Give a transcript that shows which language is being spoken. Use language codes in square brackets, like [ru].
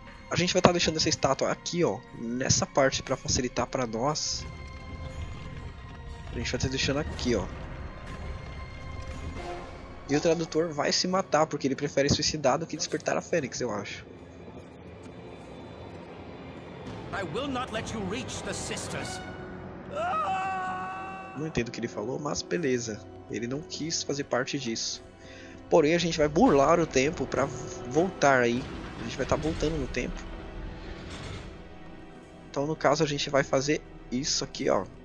[pt] A gente vai estar deixando essa estátua aqui, ó, nessa parte para facilitar para nós. A gente vai estar deixando aqui, ó. E o tradutor vai se matar porque ele prefere suicidar do que despertar a Fênix, eu acho. [en] I will not let you reach the sisters. [pt] Não entendo o que ele falou, mas beleza. Ele não quis fazer parte disso. Porém, a gente vai burlar o tempo pra voltar aí. A gente vai estar voltando no tempo. Então, no caso, a gente vai fazer isso aqui, ó.